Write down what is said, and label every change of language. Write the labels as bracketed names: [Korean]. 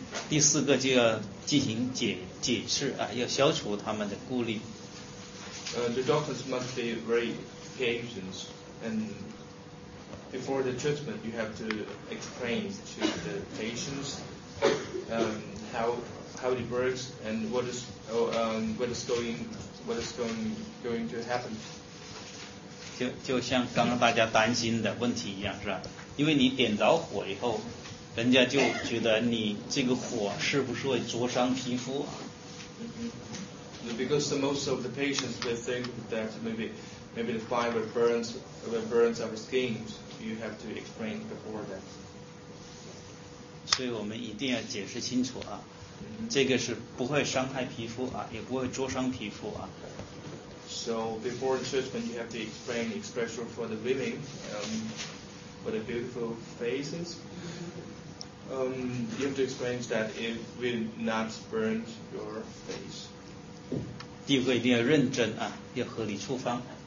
[Chinese] 第四个就要进行解释啊，要消除他们的顾虑。 [English] The doctors must be very patient, and before the treatment, you have to explain to the patients how it works and what is going to happen. [Chinese] 就像刚刚大家担心的问题一样，是吧？因为你点着火以后，人家就觉得你这个火是不是会灼伤皮肤啊？ [English] Because the most of the patients they think that maybe the fire burns our skin. You have to explain before that. [Chinese] 所以我们一定要解释清楚啊。这个是不会伤害皮肤啊，也不会灼伤皮肤啊。 [English] So before treatment, you have to explain especially for the women, for the beautiful faces. You have to explain that it will not burn your face. [Chinese] 第五个一定要认真啊，要合理处方。